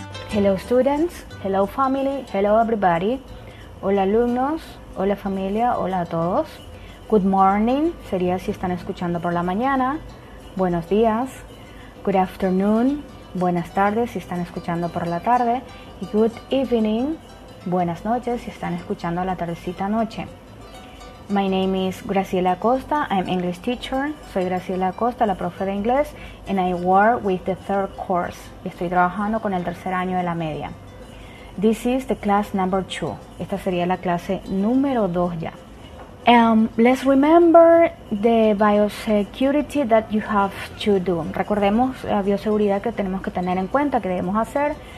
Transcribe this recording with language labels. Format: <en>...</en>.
<en>Hello students, hello family, hello everybody.</en> <es>Hola alumnos, hola familia, hola a todos.</es> <en>Good morning,</en> <es>sería si están escuchando por la mañana. Buenos días.</es> <en>Good afternoon,</en> <es>buenas tardes si están escuchando por la tarde. Y</es> <en>good evening,</en> <es>buenas noches si están escuchando la tardecita noche.</es> <en>My name is Graciela Costa, I'm English teacher.</en> <es>Soy Graciela Costa, la profe de inglés,</es> <en>and I work with the third course.</en> <es>Estoy trabajando con el tercer año de la media.</es> <en>This is the class number two.</en> <es>Esta sería la clase número dos ya.</es> <en>Let's remember the biosecurity that you have to do.</en> <es>Recordemos la bioseguridad que tenemos que tener en cuenta, que debemos hacer.</es>